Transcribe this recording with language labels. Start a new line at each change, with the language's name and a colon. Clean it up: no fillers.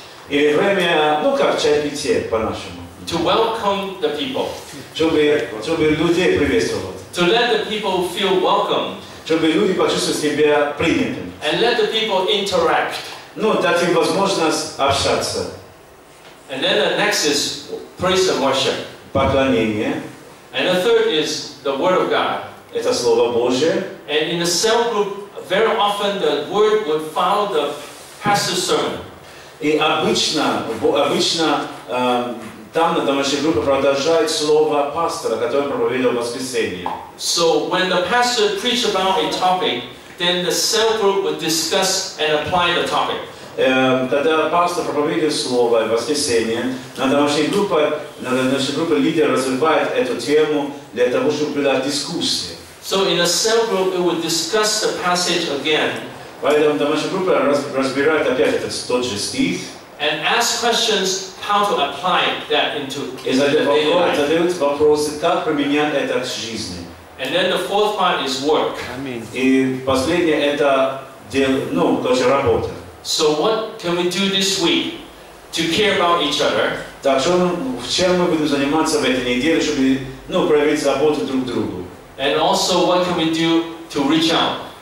Russian: Или время, ну как, чай-питье по-нашему.
English: To welcome the people.
Russian: Чтобы людей приветствовать.
English: To let the people feel welcome.
Russian: Чтобы люди почувствовали себя принятым.
English: And let the people interact.
Russian: Ну, дать им возможность общаться.
English: And then the next is praise and worship.
Russian: Поклонение.
English: And the third is the word of God.
Russian: Это слово Божие.
English: And in the cell group, very often the word would follow the pastor's sermon.
Russian: И обычно там на домашней группе продолжает слово пастора, который проповедовал в воскресенье.
English: So when the pastor preached about a topic, then the cell group would discuss and apply the topic.
Russian: Когда пастор проповедует слово в воскресенье, на домашней группе лидер развивает эту тему для того, чтобы была дискуссия.
English: So in a cell group, it would discuss the passage again.
Russian: Поэтому домашняя группа разбирает опять этот тот же стих.
English: And ask questions how to apply that into
Russian: задают вопросы, как применять это к жизни.
English: And then the fourth part is work.
Russian: И последнее это дело, ну, тоже работа.
English: So what can we do this week to care about each other?
Russian: Так что в чем мы будем заниматься в этой неделе, чтобы, ну, проявить заботу друг к другу?
English: And also, what can we do to reach out?